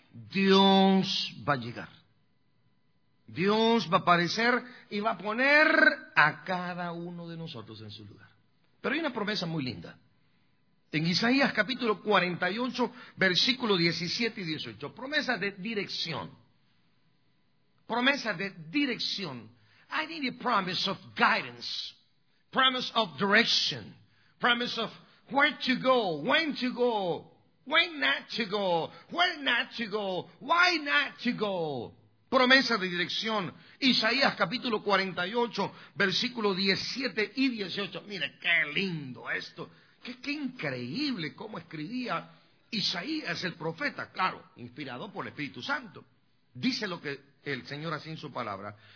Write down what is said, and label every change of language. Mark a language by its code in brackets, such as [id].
[es] Dios va a llegar. Dios va a aparecer y va a poner a cada uno de nosotros en su lugar. Pero hay una promesa muy linda. En Isaías capítulo 48, versículo 17 y 18. Promesa de dirección. Promesa de dirección. [en] I need a promise of guidance. Promise of direction. Promise of where to go, when to go, when not to go, where not to go, why not to go. [es] Promesa de dirección. Isaías capítulo 48, versículo 17 y 18. Mire, qué lindo esto. Qué increíble cómo escribía Isaías el profeta. Claro, inspirado por el Espíritu Santo. Dice lo que el Señor hace en su palabra.